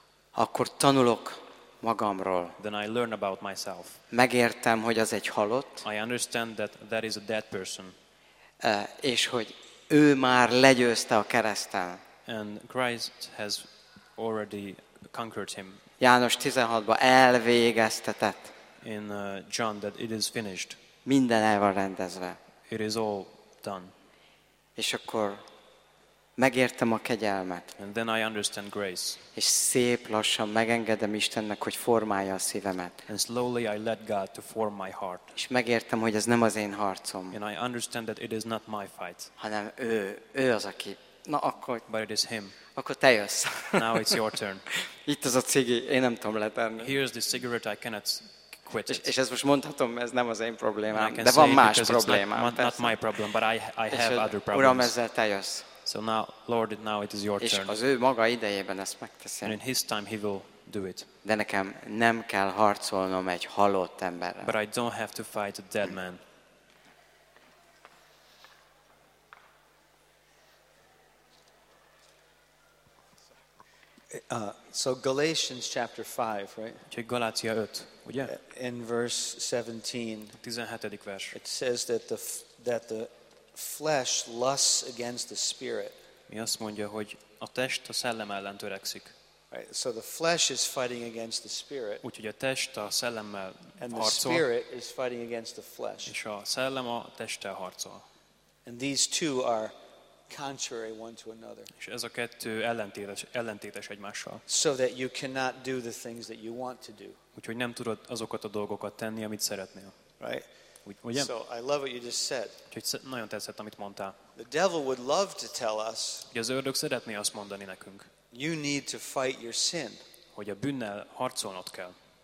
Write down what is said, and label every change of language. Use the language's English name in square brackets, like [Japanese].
[Hungarian] Akkor tanulok magamról. [English] Then I learn about myself. [Hungarian] Megértem, hogy az egy halott. [English] I understand that that is a dead person. [Hungarian] És hogy ő már legyőzte a kereszten. [English] And Christ has already conquered him. [Hungarian] János 16-ban elvégeztetett. [English] In John that it is finished. [Hungarian] Minden el van rendezve. [English] It is all done. [Hungarian] És akkor megértem a kegyelmet. [English] And then I understand grace. [Hungarian] És szép lassan megengedem Istennek, hogy formálja a szívemet. [English] And slowly I let God to form my heart. [Hungarian] És megértem, hogy ez nem az én harcom. [English] And I understand that it is not my fight. [Hungarian] Hanem ő az, aki. Na akkor. [English] But it is him. [Hungarian] Akkor te jössz. [English] Now it's your turn. [Hungarian] Itt az a cigi, én nem tudom letenni. [English] Here's the cigarette, I cannot quit it. [Hungarian] És ezt most mondhatom, ez nem az én problémám, de van más problémám. [English] It's not my problem, but I have other problems. [Hungarian] Uram, ezzel te jössz. [English] So now, Lord, now it is your [Hungarian] és [English] turn. [Hungarian] És az ő maga idejében ezt megteszem. [English] In his time he will do it. [Hungarian] De nekem nem kell harcolnom egy halott emberrel. [English] But I don't have to fight a dead man. So Galatians chapter 5, right? [Hungarian] Galatia 5, ugye? [English] In verse 17. [Hungarian] 17. vers. [English] It says that the flesh lusts against the spirit. [Hungarian] Mi azt mondja, hogy a test a szellem ellen törekszik. [English] Right, so the flesh is fighting against the spirit. [Hungarian] Úgyhogy a test a szellemmel harcol. [English] And the spirit is fighting against the flesh. [Hungarian] És a szellem a testtel harcol. [English] And these two are contrary one to another. [Hungarian] És ez a kettő ellentétes egymással. [English] So that you cannot do the things that you want to do. [Hungarian] Úgyhogy nem tudod azokat a dolgokat tenni, amit szeretnél. [English] Right? [Hungarian] Ugye? [English] So I love what you just said. [Hungarian] Úgyhogy nagyon tetszett, amit mondtál. [English] The devil would love to tell us. [Hungarian] Ugye az ördög szeretné azt mondani nekünk. [English] You need to fight your sin. [Hungarian] Hogy a bűnnel harcolnod kell.